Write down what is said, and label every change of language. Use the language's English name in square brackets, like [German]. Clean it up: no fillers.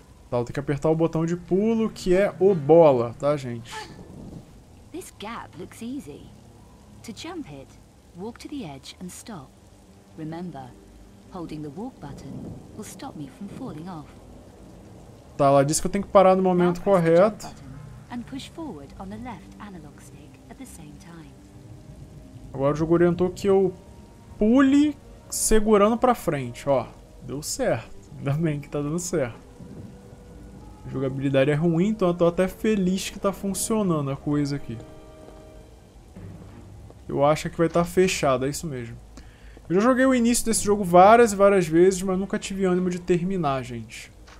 [Portuguese] Tá, eu tenho que apertar o botão de pulo, que é o bola, tá, gente? [English] This gap looks easy. To jump it, walk to the edge and stop. Remember, holding the walk button will stop me from falling off. [Portuguese] Tá, ela disse que eu tenho que parar no momento correto. [English] and push forward on the left analog stick at the same time. [Portuguese] Agora o jogo orientou que eu pule segurando pra frente, ó. Deu certo. Ainda bem que tá dando certo. A jogabilidade é ruim, então eu tô até feliz que tá funcionando a coisa aqui. Eu acho que vai estar fechado, é isso mesmo. Eu já joguei o início desse jogo várias e várias vezes, mas nunca tive ânimo de terminar, gente.